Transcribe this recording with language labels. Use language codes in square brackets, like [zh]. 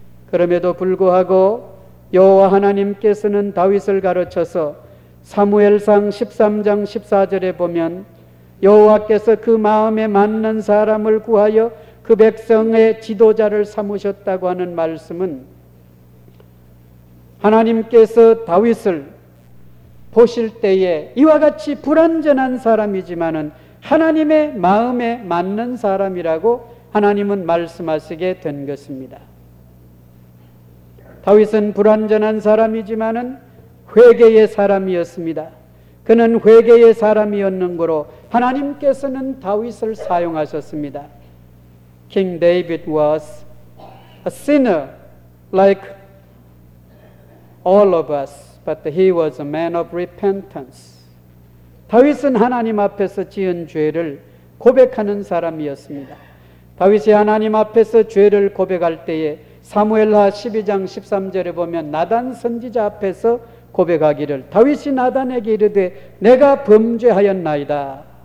[ko] 그럼에도 불구하고 여호와 하나님께서는 다윗을 가르쳐서 사무엘상 13장 14절에 보면 여호와께서 그 마음에 맞는 사람을 구하여 그 백성의 지도자를 삼으셨다고 하는 말씀은 하나님께서 다윗을 보실 때에 이와 같이 불완전한 사람이지만은 하나님의 마음에 맞는 사람이라고 하나님은 말씀하시게 된 것입니다. 다윗은 불완전한 사람이지만은 회개의 사람이었습니다. 그는 회개의 사람이었는고로 하나님께서는 다윗을 사용하셨습니다. [en] King David was a sinner like all of us, but he was a man of repentance. [ko] 다윗은 하나님 앞에서 지은 죄를 고백하는 사람이었습니다. 다윗이 하나님 앞에서 죄를 고백할 때에 사무엘하 12장 13절에 보면 나단 선지자 앞에서 고백하기를 다윗이 나단에게 이르되 내가 범죄하였나이다.